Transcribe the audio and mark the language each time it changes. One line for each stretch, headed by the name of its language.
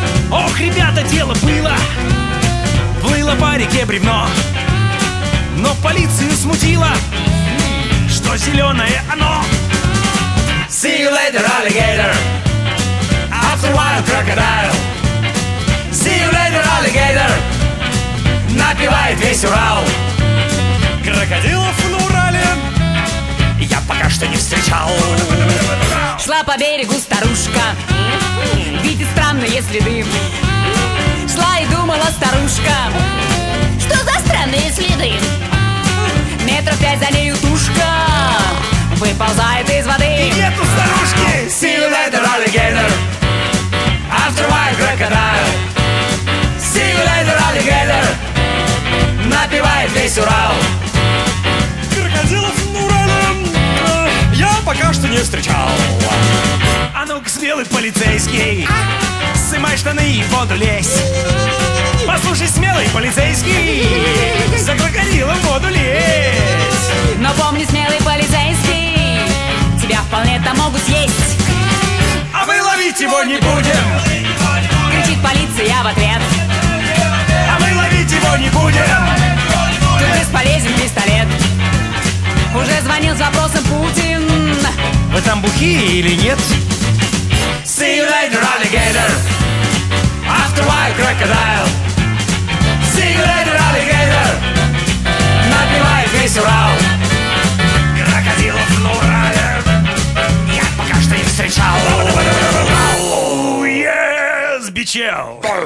Russian: Ох, ребята, дело было, плыло по реке бревно, но полицию смутило, что зеленое оно.
English: See you later, alligator, after a while, crocodile. See you later, alligator,
Russian: напевает весь Урал. Крокодилов на Урале я пока что не встречал. Шла по берегу старушка, видит странные следы. Шла и думала старушка, что за странные следы. Метров пять за ней тушка выползает из воды. И нету старушки!
English: See you later, alligator, after a while, crocodile. See you later, alligator,
Russian: напевает весь Урал. Крокодилов на Урале я пока что не встречал. А ну-ка, смелый полицейский, снимай штаны и в воду лезь. Послушай, смелый полицейский, за крокодилом в воду лезь. Но помни, смелый полицейский, тебя вполне там могут съесть. А мы ловить его не будем, кричит полиция в ответ. А мы ловить его не будем, тут бесполезен пистолет. Уже звонил с вопросом Путин, вы там бухи или нет?
English: See you later, alligator, after a while, crocodile. See you later, alligator,
Russian: напевает весь Урал. Крокодилов на Урале я пока что не встречал.
English: Oh, yes, бичел!